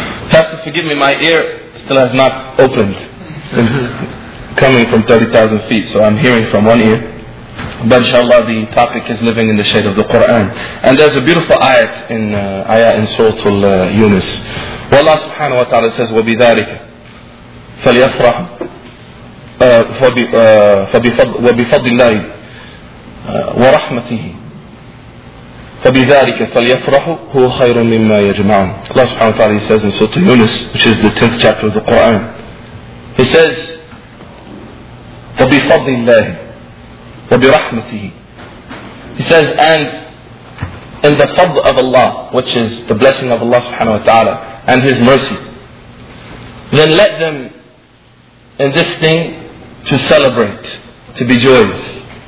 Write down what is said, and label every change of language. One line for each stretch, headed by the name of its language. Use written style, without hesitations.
English: Pastor, forgive me, my ear still has not opened since coming from 30,000 feet, so I'm hearing from one ear. But inshallah, the topic is living in the shade of the Quran. And there's a beautiful ayat in Surah Yunus. Where Allah subhanahu wa ta'ala says,
Arabic: وَبِذَٰلِكَ فَلْيَفْرَحْ وبفضل الله ورحمته فبذلك فليفرح هو خير مما يجمعون.
English: Allah subhanahu wa ta'ala says in Surah Yunus, which is the 10th chapter of the Quran, He says,
Arabic: وبفضل الله وبرحمته,
English: He says, and in the fadl of Allah, which is the blessing of Allah subhanahu wa ta'ala and His mercy, then let them in this thing to celebrate, to be joyous.